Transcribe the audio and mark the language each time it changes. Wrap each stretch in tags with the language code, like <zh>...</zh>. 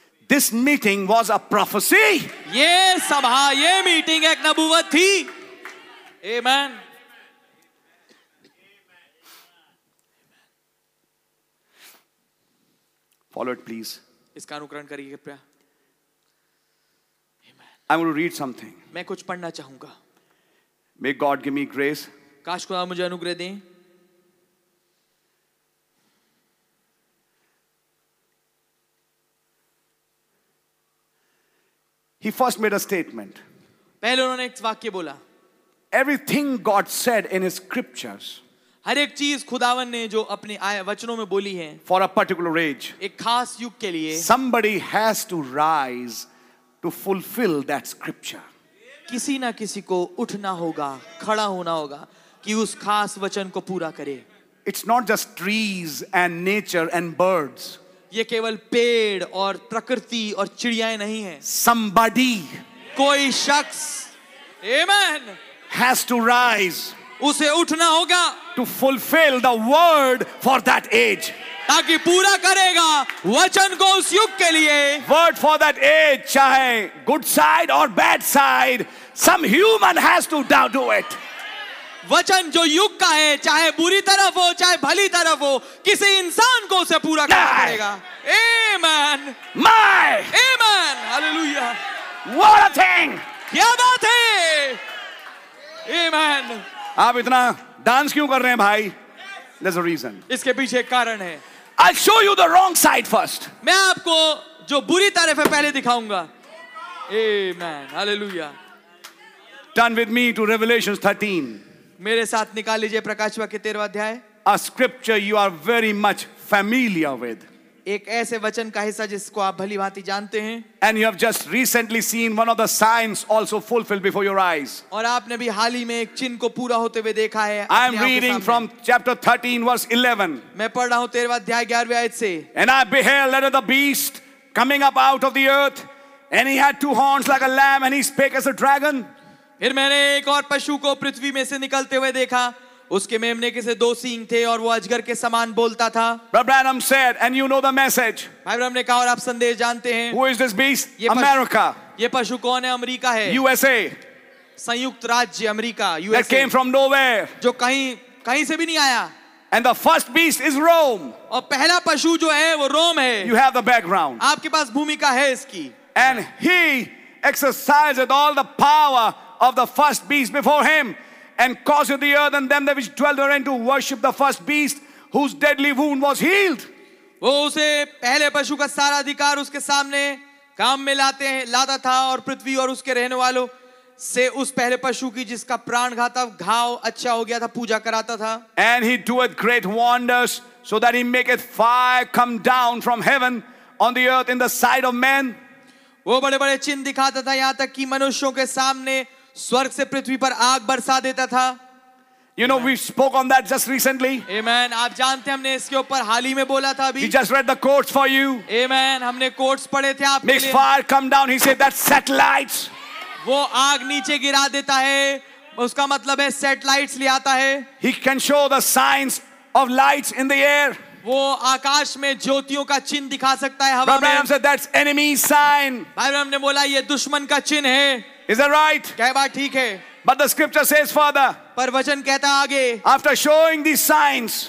<en>This meeting was a prophecy.</en> <hi>ये सभा, ये मीटिंग एक नबूवत थी. आमेन.</hi> <en>Follow it, please.</en> <hi>इसका अनुकरण करिए कृपया.</hi> <en>I'm going to read something.</en> <hi>मैं कुछ पढ़ना चाहूंगा.</hi> <en>May God give me grace.</en> <hi>काश खुदा मुझे अनुग्रह दें.</hi> <en>He first made a statement.</en> <hi>पहले उन्होंने एक वाक्य बोला.</hi> <en>Everything God said in His scriptures.</en> <hi>हर एक चीज खुदावन ने जो अपने वचनों में बोली है.</hi> <en>For a particular age.</en> <hi>एक खास युग के लिए.</hi> <en>Somebody has to rise to fulfill that scripture.</en> <hi>किसी ना किसी को उठना होगा, खड़ा होना होगा कि उस खास वचन को पूरा करे.</hi> <en>It's not just trees and nature and birds.</en> <hi>ये केवल पेड़ और प्रकृति और चिड़ियाएं नहीं है.</hi> <en>Somebody.</en> <hi>कोई शख्स. Amen.</hi> <en>Has to rise.</en> <hi>उसे उठना होगा.</hi> <en>To fulfill the word for that age.</en> <hi>ताकि पूरा करेगा वचन को उस युग के लिए.</hi> <en>Word for that age,</en> <hi>चाहे</hi> <en>good side or bad side, some human has to do it.</en> <hi>वचन जो युग का है, चाहे बुरी तरफ हो, चाहे भली तरफ हो, किसी इंसान को उसे पूरा करना पड़ेगा.</hi> <en>Amen. My. Amen. Hallelujah. What a thing.</en> <hi>क्या बात है. Amen. आप इतना डांस क्यों कर रहे हैं भाई?</hi> <en>There's a reason.</en> <hi>इसके पीछे एक कारण है.</hi> <en>I'll show you the wrong side first.</en> <hi>मैं आपको जो बुरी तरफ है पहले दिखाऊंगा.</hi> <en>Amen. Hallelujah. Turn with me to Revelation 13.</en> <hi>मेरे साथ निकाल लीजिए प्रकाश वाक्य 13वां अध्याय.</hi> <en>A scripture you are very much familiar with.</en> <hi>एक ऐसे वचन का हिस्सा जिसको आप भली भांति जानते हैं.</hi> <en>And you have just recently seen one of the signs also fulfilled before your eyes.</en> <hi>और आपने भी हाल ही में एक चिन्ह को पूरा होते हुए देखा है.</hi> <en>I am reading from chapter 13 verse 11.</en> <hi>मैं पढ़ रहा हूं 13वां अध्याय 11वीं आयत से.</hi> <en>And I beheld another beast coming up out of the earth, and he had two horns like a lamb, and he spake as a dragon.</en> <hi>फिर मैंने एक और पशु को पृथ्वी में से निकलते हुए देखा. उसके मेमने के से दो सींग थे और वो अजगर के समान बोलता था.</hi> <en>Brother Branham said, and you know the message.</en> <hi>भाई ब्रह्म ने कहा और आप संदेश जानते हैं.</hi> <en>Who is this beast? America.</en> <hi>ये पशु कौन है? अमेरिका है.</hi> <en>USA.</en> <hi>संयुक्त राज्य America. USA.</hi> <en>That came from nowhere.</en> <hi>जो कहीं कहीं से भी नहीं आया.</hi> <en>And the first beast is Rome.</en> <hi>और पहला पशु जो है वो रोम है.</hi> <en>You have the background.</en> <hi>आपके पास भूमिका है इसकी.</hi> <en>And he exercised all the power of the first beast before him. And caused the earth and them that which dwell therein to worship the first beast whose deadly wound was healed.</en> <hi>वो उसे पहले पशु का सारा अधिकार उसके सामने काम में लाते हैं लाता था और पृथ्वी और उसके रहने वालों से उस पहले पशु की जिसका प्राण घातक घाव अच्छा हो गया था पूजा कराता था.</hi> <en>And he doeth great wonders so that he maketh fire come down from heaven on the earth in the sight of men.</en> <hi>वो बड़े बड़े चिन्ह दिखाता था यहां तक कि मनुष्यों के सामने स्वर्ग से पृथ्वी पर आग बरसा देता था.</hi> <en>You know, we spoke on that just recently. Amen.</en> <hi>आप जानते हैं हमने इसके ऊपर हाल ही में बोला था अभी.</hi> <en>We just read the quotes for you. Amen.</en> <hi>हमने quotes पढ़े थे आपके लिए.</hi> <en>Makes fire come down. He said that satellites.</en> <hi>वो आग नीचे गिरा देता है. उसका मतलब है satellites ले आता है.</hi> <en>He can show the signs of lights in the air.</en> <hi>वो आकाश में ज्योतियों का चिन्ह दिखा सकता है हवा में.</hi> <en>Abraham said that's enemy sign.</en> <hi>Abraham ने बोला ये दुश्मन का चिन्ह है.</hi> <en>Is that right?</en> <hi>कह बात ठीक है.</hi> <en>But the scripture says further.</en> <hi>पर वचन कहता आगे.</hi> <en>After showing these signs.</en>